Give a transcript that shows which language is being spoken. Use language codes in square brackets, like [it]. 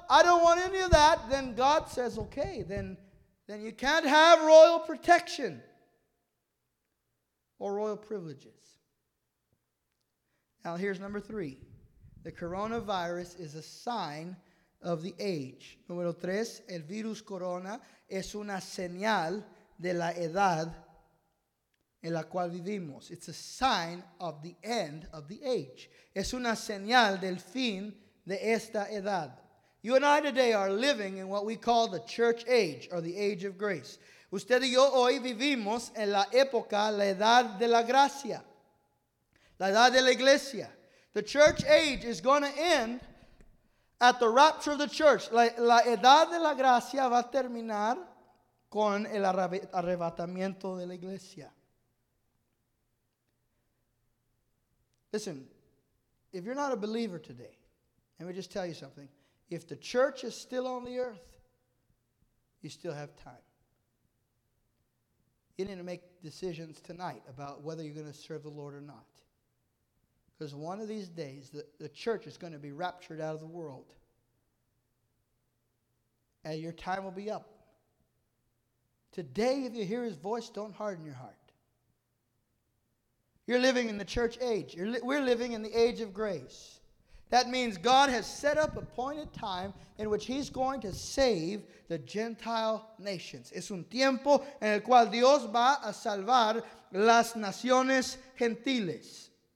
[en] I don't want any of that. Then God says, okay, then you can't have royal protection or royal privileges. Now here's number three. The coronavirus is a sign of the age. [es] Número tres, el virus corona es una señal de la edad en la cual vivimos. [en] It's a sign of the end of the age. [es] Es una señal del fin de esta edad. [en] You and I today are living in what we call the church age, or the age of grace. [es] Usted y yo hoy vivimos en la época, la edad de la gracia, la edad de la iglesia. [en] The church age is going to end at the rapture of the church. [es] La edad de la gracia va a terminar con el arrebatamiento de la iglesia. [en] Listen, if you're not a believer today, let me just tell you something. If the church is still on the earth, you still have time. You need to make decisions tonight about whether you're going to serve the Lord or not. Because one of these days, the church is going to be raptured out of the world. And your time will be up. Today, if you hear his voice, don't harden your heart. You're living in the church age. We're living in the age of grace. That means God has set up appointed time in which he's going to save the Gentile nations. [es] Es un tiempo en el cual Dios va a salvar las naciones gentiles.